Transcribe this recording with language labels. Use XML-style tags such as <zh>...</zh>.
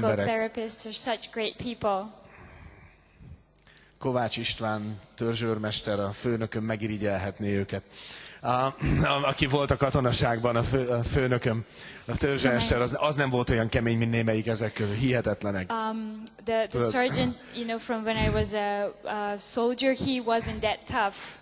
<en>Physical therapists are such great people.</en> <hu>Kovács István törzsőrmester, a főnököm megirigyelhetné őket. Aki volt a katonaságban, a főnököm, a törzsőrmester, az nem volt olyan kemény, mint némelyik ezek közül. Hihetetlenek.</hu> <en>The sergeant, you know, from when I was a soldier, he wasn't that tough.</en>